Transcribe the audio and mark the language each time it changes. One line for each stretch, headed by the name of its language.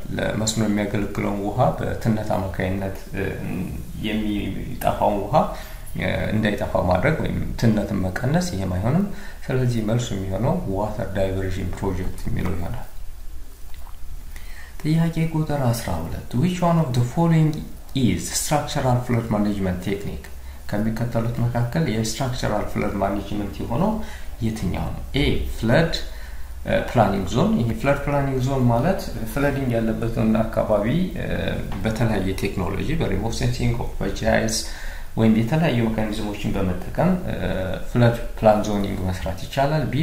Amharic: ለመስኖ የሚያገለግለው ውሃ በትነት አማካይነት የሚጠፋው ውሃ እንዳይጠፋ ማድረግ ወይም ትነትን መቀነስ ይሄም አይሆንም። ስለዚህ መልሱ የሚሆነው water diversion project የሚለው ይሆናል። ጥያቄ ቁጥር 12.
English: Which one of the following is structural flood management technique?
Amharic: ከሚከተሉት መካከል የstructural flood management የሆነው የትኛው ነው? A.
English: Flood planning zone.
Amharic: ይሄ flood planning zone ማለት flooding ያለበትን አካባቢ በተለያየ ቴክኖሎጂ በሪሞት ሴንሲንግ ኦፍ GeEs ወይም የተለያዩ መካኒዝሞችን በመጠቀም flood plan zoning መስራት ይቻላል። B.